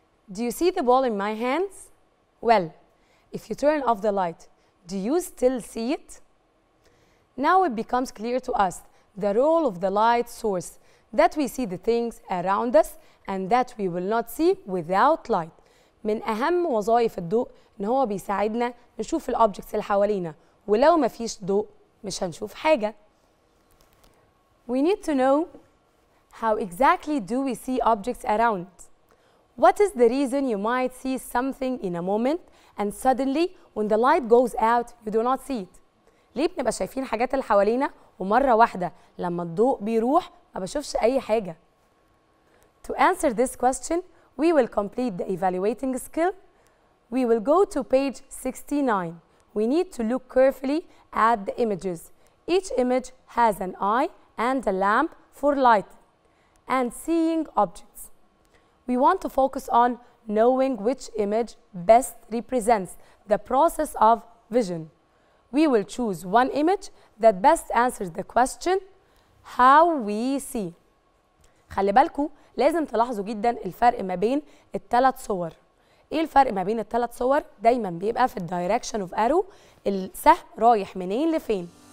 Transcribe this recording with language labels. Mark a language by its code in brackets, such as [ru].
[en] Do you see the ball in my hands? Well, if you turn off the light, do you still see it? Now it becomes clear to us the role of the light source, that we see the things around us and that we will not see without light. [ar] من أهم وظائف الضوء إن هو بيساعدنا نشوف الأوبجكتس اللي حوالينا، ولو ما فيش ضوء مش هنشوف حاجة. [en] We need to know how exactly do we see objects around. What is the reason you might see something in a moment and suddenly when the light goes out you do not see it? [ar] ليه بنبقى شايفين حاجات اللي حوالينا ومرة واحدة لما الضوء بيروح ما بشوفش أي حاجة؟ [en] To answer this question, we will complete the evaluating skill. We will go to page 69. We need to look carefully at the images. Each image has an eye and a lamp for light and seeing objects. We want to focus on knowing which image best represents the process of vision. We will choose one image that best answers the question, how we see. [ar] خلي بالكو لازم تلاحظوا جدا الفرق ما بين الثلاث صور. ايه الفرق ما بين الثلاث صور؟ دايما بيبقى في [en] الدايركشن of arrow, [ar] السهم رايح منين لفين.